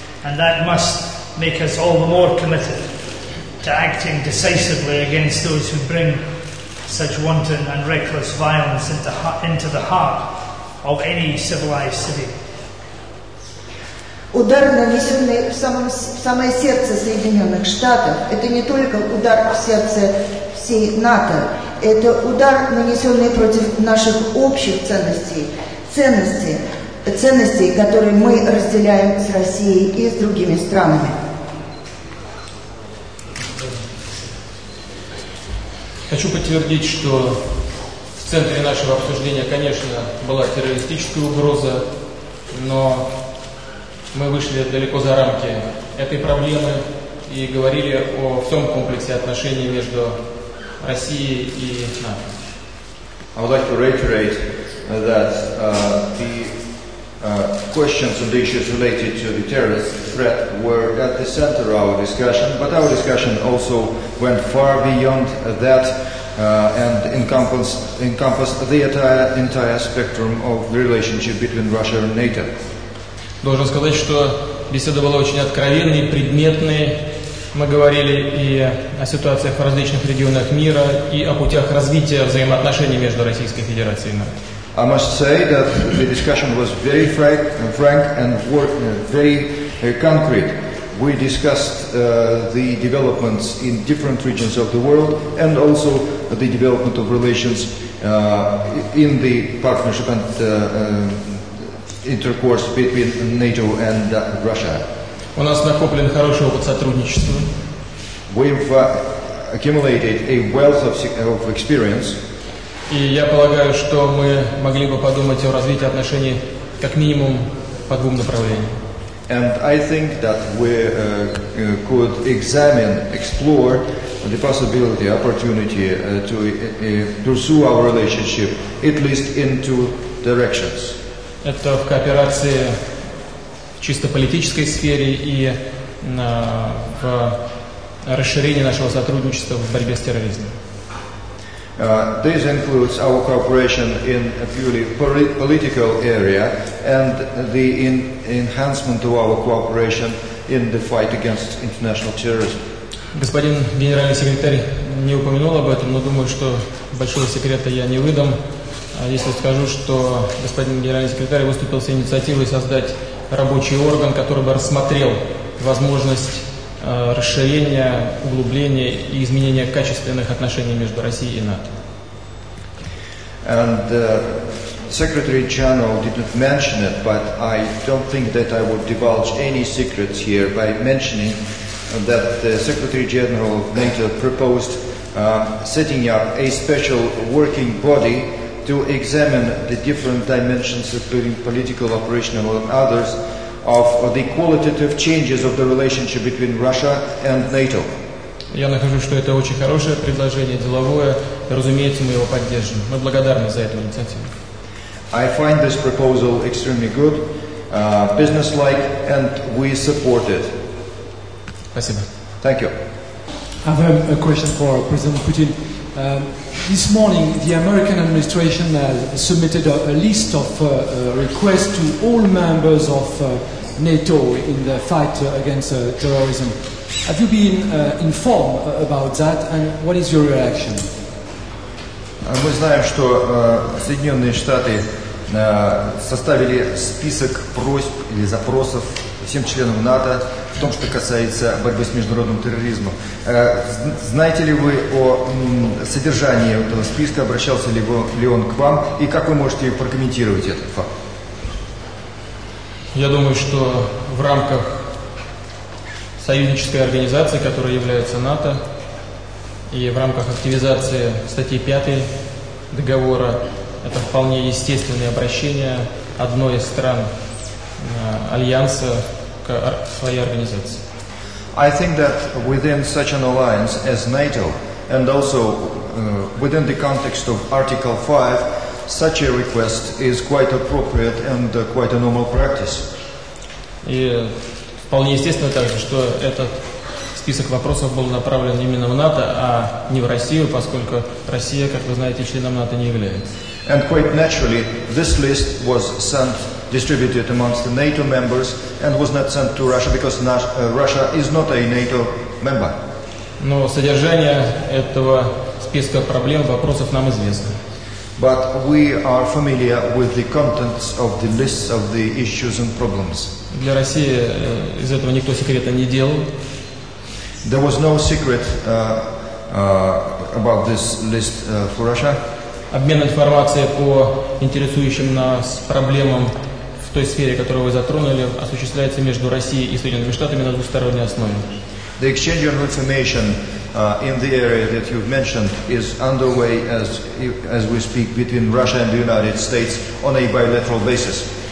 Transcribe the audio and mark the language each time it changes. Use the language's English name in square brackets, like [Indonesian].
[English] And that must make us all the more committed to acting decisively against those who bring such wanton and reckless violence into the heart of any civilized city. [Russian] Удар, нанесенный в самое сердце Соединенных Штатов, это не только удар в сердце всей НАТО, это удар, нанесенный против наших общих ценностей, ценностей, которые мы разделяем с Россией и с другими странами. Хочу подтвердить, что в центре нашего обсуждения, конечно, была террористическая угроза, но мы вышли далеко за рамки этой проблемы и говорили о всем комплексе отношений между Россией и НАТО. [English] I would like to reiterate that questions and issues related to the terrorist threat were at the center of our discussion, but our discussion also went far beyond that and encompassed the entire spectrum of the relationship between Russia and NATO. [Russian] Должен сказать, что беседа была очень откровенной, предметной. Мы говорили и о ситуациях в различных регионах мира, и о путях развития взаимоотношений между Российской Федерацией и НАТО. [English] I must say that the discussion was very frank and very concrete. We discussed the developments in different regions of the world and also the development of relations in the partnership and intercourse between NATO and Russia. [Russian] У нас накоплен хороший опыт сотрудничества. [English] We've accumulated a wealth of experience. [Russian] И я полагаю, что мы могли бы подумать о развитии отношений как минимум по двум направлениям. [English] And I think that we could explore the possibility, opportunity pursue our relationship at least in two directions. [Russian] Это в кооперации в чисто политической сфере и в расширении нашего сотрудничества в борьбе с терроризмом. [English] This includes our cooperation in a purely political area and the enhancement of our cooperation in the fight against international terrorism. [Russian] Господин генеральный секретарь не упомянул об этом, но думаю, что большого секрета я не выдам, если скажу, что господин генеральный секретарь выступил с инициативой создать рабочий орган, который бы рассмотрел возможность расширения, углубления и изменения качественных отношений между Россией и НАТО. [English] And Secretary Channel didn't mention it, but I don't think that I would divulge any secrets here by mentioning that the Secretary General of NATO proposed setting up a special working body to examine the different dimensions, including political, operational, and others, of the qualitative changes of the relationship between Russia and NATO. [Russian] Я нахожу, что это очень хорошее предложение, деловое. Разумеется, мы его поддержим. Мы благодарны за эту инициативу. [English] I find this proposal extremely good, business-like, and we support it. [Russian] Спасибо. [English] Thank you. I have a question for President Putin. This morning, the American administration submitted a list of requests to all members of NATO in the fight against terrorism. Have you been informed about that, and what is your reaction? [Russian] Мы знаем, что Соединенные Штаты составили список просьб или запросов всем членам НАТО в том, что касается борьбы с международным терроризмом. Знаете ли вы о содержании этого списка, обращался ли он к вам, и как вы можете прокомментировать этот факт? Я думаю, что в рамках союзнической организации, которая является НАТО, и в рамках активизации статьи 5 договора это вполне естественное обращение одной из стран альянса к своей организации. [English] I think that within such an alliance as NATO and also within the context of Article 5, such a request is quite appropriate and quite a normal practice. [Russian] И вполне естественно также, что этот список вопросов был направлен именно в НАТО, а не в Россию, поскольку Россия, как вы знаете, членом НАТО не является. [English] And quite naturally, this list was sent, distributed amongst the NATO members, and was not sent to Russia because Russia is not a NATO member. [Russian] Но содержание этого списка проблем, вопросов нам известно. [English] But we are familiar with the contents of the lists of the issues and problems. [Russian] Для России из этого никто секрета не делал. [English] There was no secret about this list for Russia. [Russian] Обмен информацией по интересующим нас проблемам в той сфере, которую вы затронули, осуществляется между Россией и Соединенными Штатами на двусторонней основе. [English] The exchange of information in the area that you've mentioned is underway as we speak between Russia and the United States on a bilateral basis.